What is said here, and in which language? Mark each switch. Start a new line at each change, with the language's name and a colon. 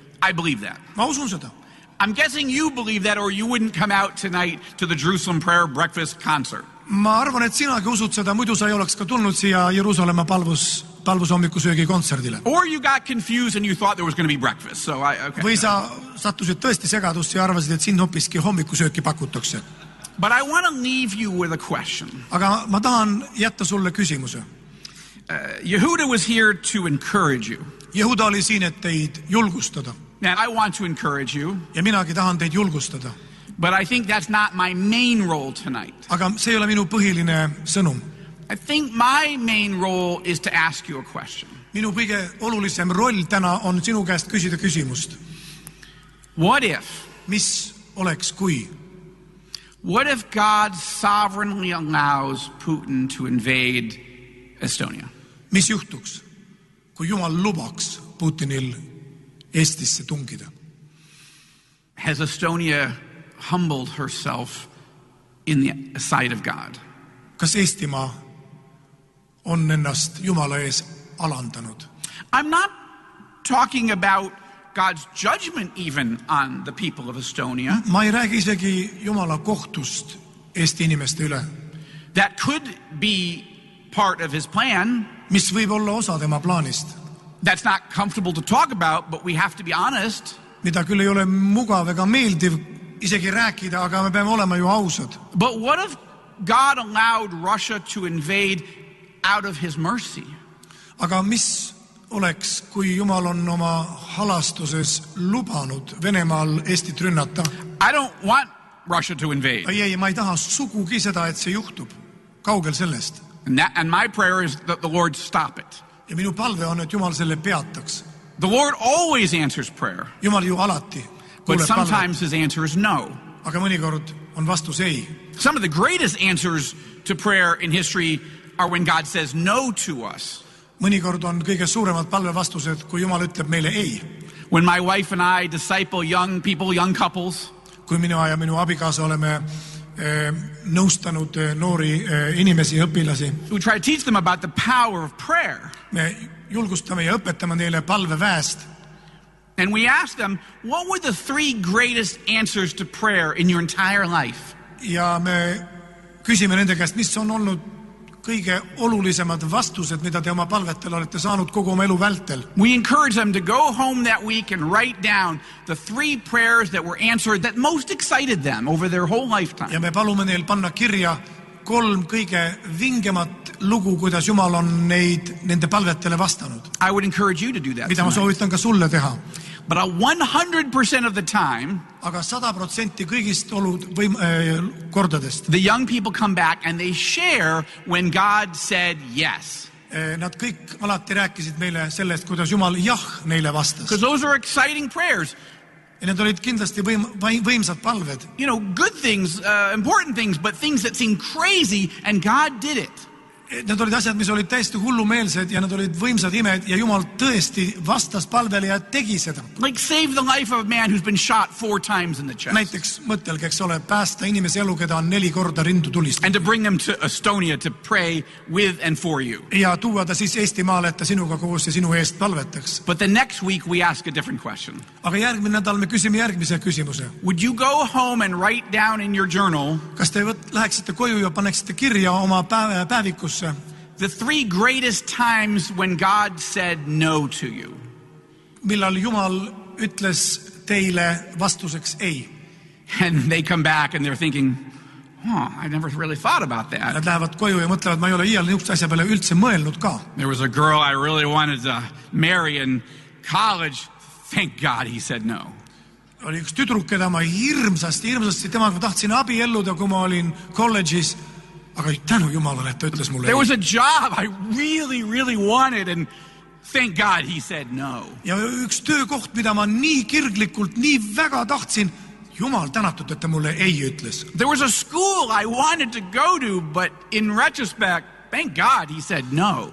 English: I believe that.
Estonian: Ma usun seda.
English: I'm guessing you believe that or you wouldn't come out tonight to the Jerusalem Prayer Breakfast Concert.
Estonian: Ma arvan, et sinagi usud seda, muidu sa ei oleks ka tulnud siia Jerusalema palvusommikusöögi kontserdile.
English: Or you got confused and you thought there was going to be breakfast. So I, okay.
Estonian: Või sa sattusid tõesti segadust ja arvasid, et siin hoopiski hommikusööki pakutakse.
English: But I want to leave you with a question.
Estonian: Aga ma tahan jätta sulle küsimuse.
English: Yehuda was here to encourage you.
Estonian: Yehuda oli siin, et teid julgustada.
English: And I want to encourage you.
Estonian: Ja minagi tahan teid julgustada.
English: But I think that's not my main role tonight.
Estonian: Aga see ei ole minu põhiline sõnum.
English: I think my main role is to ask you a question.
Estonian: Minu kõige olulisem roll täna on sinu käest küsida küsimust.
English: What if?
Estonian: Mis oleks kui?
English: What if God sovereignly allows Putin to invade Estonia?
Estonian: Mis juhtuks, kui Jumal lubaks Putinil Eestisse tungida?
English: Has Estonia humbled herself in the sight of God?
Estonian: Kas Eestimaa on ennast Jumala ees alandanud?
English: I'm not talking about God's judgment even on the people of Estonia.
Estonian: Ma ei räägi isegi Jumala kohtust Eesti inimeste üle.
English: That could be part of his plan.
Estonian: Mis võib olla osa tema plaanist.
English: That's not comfortable to talk about, but we have to be honest.
Estonian: Mida küll ei ole mugav ega meeldiv isegi rääkida, aga me peame olema ju ausad.
English: But what if God allowed Russia to invade out of his mercy?
Estonian: Aga mis oleks, kui Jumal on oma halastuses lubanud Venemaal Eestit rünnata?
English: I don't want Russia to invade.
Estonian: Ei, ma ei taha sugugi seda, et see juhtub. Kaugel sellest.
English: And my prayer is that the Lord stop it.
Estonian: Ja minu palve on, et Jumal selle peataks.
English: The Lord always answers prayer.
Estonian: Jumal ju alati.
English: But sometimes
Estonian: palvet.
English: His answer is no.
Estonian: Aga mõnikord on vastus ei.
English: Some of the greatest answers to prayer in history are when God says no to us.
Estonian: Mõnikord on kõige suuremad palve vastused, kui Jumal ütleb meile ei.
English: When my wife and I disciple young people, young couples.
Estonian: Kui minu ja minu abikaasa oleme nõustanud noori inimesi ja õpilasi.
English: We try to teach them about the power of prayer.
Estonian: Me julgustame ja õpetame neile palve väest.
English: And we ask them, what were the three greatest answers to prayer in your entire life?
Estonian: Ja me küsime nende käest, mis on olnud kõige olulisemad vastused, mida te oma palvetel olete saanud kogu oma elu vältel.
English: We encourage them to go home that week and write down the three prayers that were answered that most excited them over their whole lifetime.
Estonian: Ja me palume neil panna kirja kolm kõige vingemat lugu, kuidas Jumal on neid nende palvetele vastanud.
English: I would encourage you to do that.
Estonian: Mida ma soovitan ka sulle teha.
English: But 100% of the time,
Estonian: aga 100% kõigist olud kordadest,
English: the young people come back and they share when God said yes.
Estonian: Nad kõik alati rääkisid meile sellest, kuidas Jumal jah neile vastas.
English: Because those are exciting prayers.
Estonian: Ja need olid kindlasti võimsad palved.
English: You know, good things, important things, but things that seem crazy and God did it.
Estonian: Nad olid asjad, mis olid täiesti hullumeelsed ja nad olid võimsad imed ja Jumal tõesti vastas palvele ja tegi seda.
English: Like save the life of a man who's been shot 4 times in the chest.
Estonian: Näiteks mõtelgeks ole päästa inimese elu, keda on 4 korda rindu tulistanud.
English: And to bring them to Estonia to pray with and for you.
Estonian: Ja tuua ta siis Eesti maale, et ta sinuga koos ja sinu eest palvetaks.
English: But the next week we ask a different question.
Estonian: Aga järgmine nädal me küsime järgmise küsimuse.
English: Would you go home and write down in your journal?
Estonian: Kas te läheksite koju ja paneksite kirja oma päevikus?
English: The three greatest times when God said no to you.
Estonian: Millal Jumal ütles teile vastuseks ei.
English: And they come back and they're thinking, "Huh, I never really thought about that."
Estonian: Nad lähevad koju ja mõtlevad, ma ei ole iial niisuguse asja peale üldse mõelnud ka.
English: There was a girl I really wanted to marry in college. Thank God he said no.
Estonian: Oli üks tüdruk, keda ma hirmsasti temaga tahtsin abielluda, kui ma olin kolledžis. Aga tänu Jumalale, et ta ütles mulle.
English: There was a job I really, really wanted and thank God he said no.
Estonian: Ja üks töökoht, mida ma nii kirglikult, nii väga tahtsin, Jumal tänatud, et ta mulle ei ütles.
English: There was a school I wanted to go to, but in retrospect, thank God he said no.